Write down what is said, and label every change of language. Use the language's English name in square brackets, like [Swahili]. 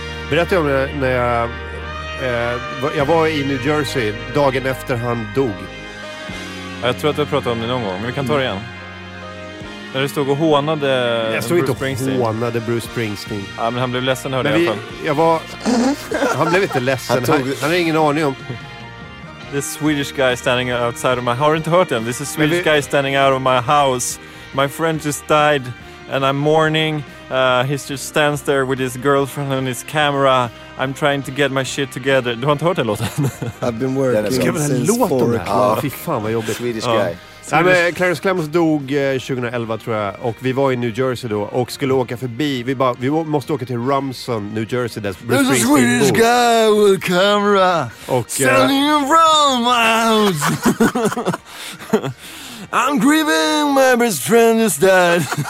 [Swedish] Berätta om när jag var i New Jersey dagen efter han dog. Jag tror att du har pratat om det någon gång, men vi kan ta det igen. När du stod och hånade Bruce Springsteen. Jag stod inte och hånade Bruce Springsteen. Ja, men han blev ledsen, hörde jag i alla fall. Han blev inte ledsen. Han hade ingen aning om. [English] the Swedish guy standing outside of my house. Har du inte hört den? This is Swedish guy standing out of my house. My friend just died and I'm mourning. He just stands there with his girlfriend and his camera. I'm trying to get my shit together. [Swedish] Du har inte hört den låten? [English] I've been working since 4 o'clock. [Swedish] Ska vi ha en låt om det? Fy fan vad jobbigt. [English] Swedish guy. [Swedish] Nej, men Clarence Clemons dog 2011 tror jag. Och vi var i New Jersey då och skulle åka förbi. Vi bara, vi måste åka till Rumson, New Jersey. Där [English] there's a Swedish guy with a camera och, selling around my house. I'm grieving my best friend is dead.